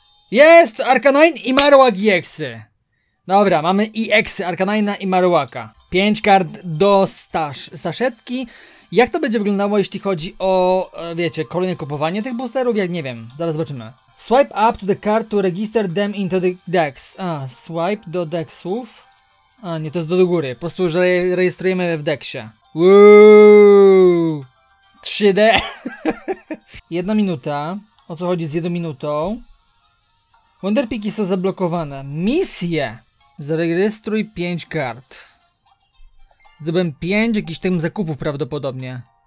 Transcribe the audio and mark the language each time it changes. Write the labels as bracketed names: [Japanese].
[Polish] Jest! Arcanine i Marowak EX-y. Dobra, mamy EX-y, Arcanine'a i Marowaka. 5 kart do saszetki. Jak to będzie wyglądało, jeśli chodzi o, wiecie, kolejne kupowanie tych boosterów? Ja nie wiem, zaraz zobaczymy. [English] Swipe up to the card to register them into the dex. [Polish] A, swipe do dexów. A, nie, to jest do góry. Po prostu, że rejestrujemy w dexie. Woo! 3D! Jedna minuta. O co chodzi z jedną minutą? Wonderpiki są zablokowane. Misje! Zarejestruj 5 kart. Zdobyłem 5 jakichś tam zakupów prawdopodobnie.